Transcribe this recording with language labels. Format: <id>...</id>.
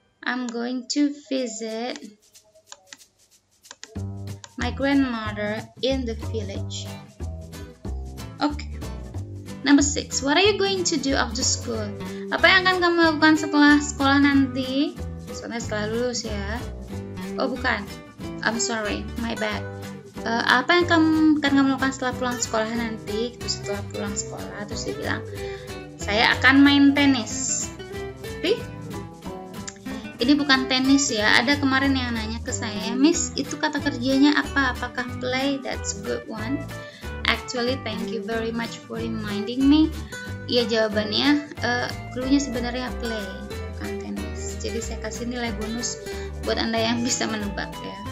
<en>I'm going to visit my grandmother in the village. Okay. Number 6. What are you going to do after school?</en> <id>Apa yang akan kamu lakukan setelah sekolah nanti? Soalnya setelah lulus ya. Oh bukan.</id> <en>I'm sorry. My bad.</en> <id>Apa yang akan kamu lakukan setelah pulang sekolah nanti? Terus setelah pulang sekolah terus dia bilang, saya akan main tenis. Tapi ini bukan tenis ya. Ada kemarin yang nanya ke saya, Miss, itu kata kerjanya apa? Apakah</id> <en>play? That's a good one. Actually, thank you very much for reminding me.</en> <id>Iya, jawabannya, clue-nya sebenarnya play, bukan tenis. Jadi saya kasih nilai bonus buat Anda yang bisa menebak ya.</id>